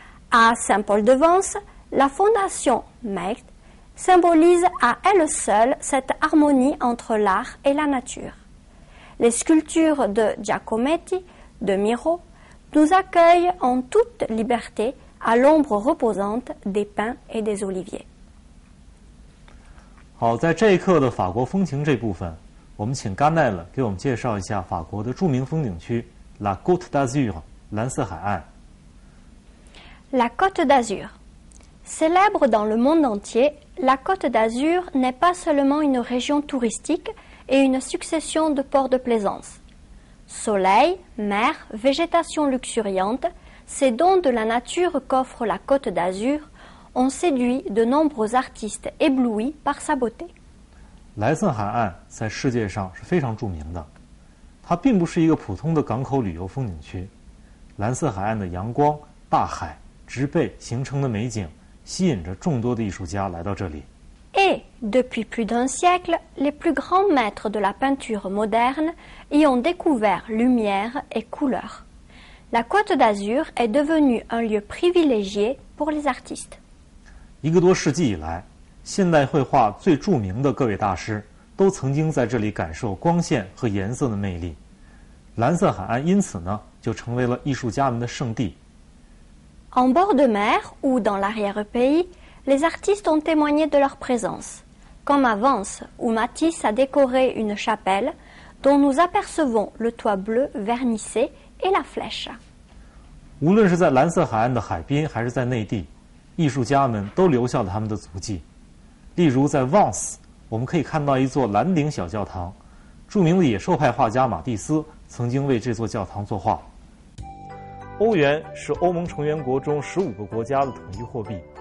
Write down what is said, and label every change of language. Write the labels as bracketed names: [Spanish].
[French] À Saint-Paul-de-Vence, la fondation Meg symbolise à elle seule cette harmonie entre l'art et la nature. Les sculptures de Giacometti, de Miro, nous accueillent en toute liberté à l'ombre reposante des pins et des oliviers. [Chinese] 好，在这一课的法国风情这部分，我们请甘奈勒给我们介绍一下法国的著名风景区 La Côte d'Azur, 蓝色海岸。 [French] La Côte d'Azur. Célèbre dans le monde entier, la Côte d'Azur n'est pas seulement une région touristique et une succession de ports de plaisance. Soleil, mer, végétation luxuriante, ces dons de la nature qu'offre la Côte d'Azur ont séduit de nombreux artistes éblouis par sa beauté. [Chinese] 莱森海岸在世界上是非常著名的，它并不是一个普通的港口旅游风景区。蓝色海岸的阳光、大海、植被形成的美景，吸引着众多的艺术家来到这里。 [French] Et depuis plus d'un siècle, les plus grands maîtres de la peinture moderne y ont découvert lumière et couleur. La Côte d'Azur est devenue un lieu privilégié pour les artistes. [Chinese] 一个多世纪以来，现代绘画最著名的各位大师都曾经在这里感受光线和颜色的魅力。蓝色海岸因此呢，就成为了艺术家们的圣地。 [French] En bord de mer ou dans l'arrière-pays,Les artistes ont témoigné de leur présence, comme à Vence, où Matisse a décoré une chapelle dont nous apercevons le toit bleu vernissé et la flèche. [Chinese] 无论是在蓝色海岸的海滨还是在内地，艺术家们都留下了他们的足迹。例如在 Vence, 我们可以看到一座蓝顶小教堂，著名的野兽派画家马蒂斯曾经为这座教堂作画。欧元是欧盟成员国中15个国家的统一货币。